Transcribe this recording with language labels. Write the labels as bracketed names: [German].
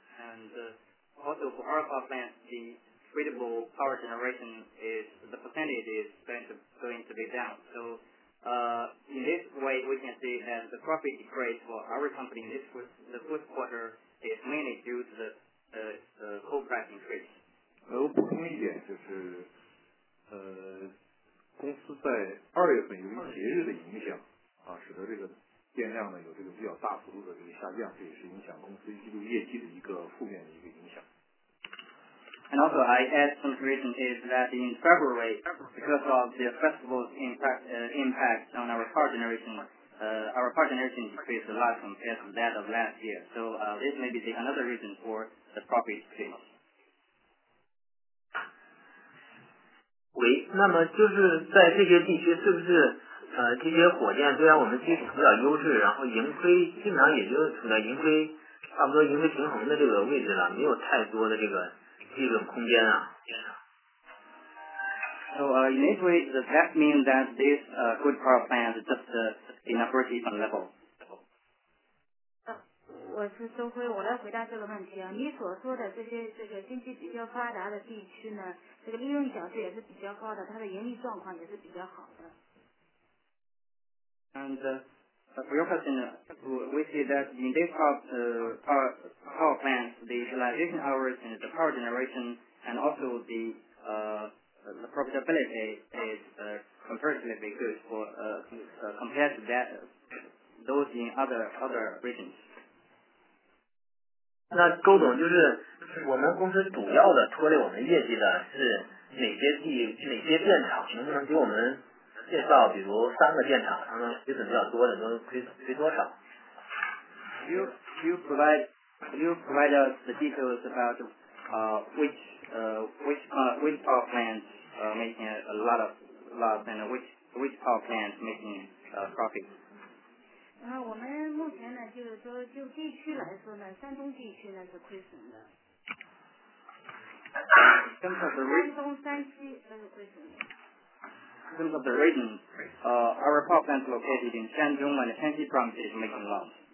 [English] And also for our power plants, the tradable power generation is the percentage is going to be down. So in this way, we can see that the profit decrease for our company in this the fourth quarter is mainly due to the coal price increase. [Chinese] 我补充一点就是，公司在二月份由于节日的影响啊，使得这个电量呢有这个比较大幅度的这个下降，这也是影响公司一季度业绩的一个负面的一个影响。 [English] And also I add some reason is that in February, because of the festival's impact on our power generation decreased a lot compared to that of last year. So this may be another reason for the profit decrease. [Chinese] 喂，那么就是在这些地区是不是这些火电虽然我们基础比较优势，然后盈亏经常也就处在盈亏差不多盈亏平衡的这个位置了，没有太多的这个利润空间啊。 [English] So initially, does that mean that this good power plant is just in a break-even level? [Chinese] 我是周辉，我来回答这个问题啊。你所说的这个经济比较发达的地区呢，这个利润角度也是比较高的，它的盈利状况也是比较好的。 [English] And for your question, we see that in this power plants, the utilization hours and the power generation and also the profitability is comparatively good for, compared to that, those in other regions. [Chinese] 那周董就是我们公司主要的拖累我们业绩的是哪些电厂，能不能给我们介绍比如三个电厂，他们亏损比较多的，都亏多少 [English] you provide us the details about which power plants are making a lot of loss and which power plants making profit. [Chinese] 我们目前呢就是说就地区来说呢，山东地区呢是亏损的，山东山西那是亏损的。 [English] In terms of the region, our power plant located in Shandong and Shanxi province is making loss.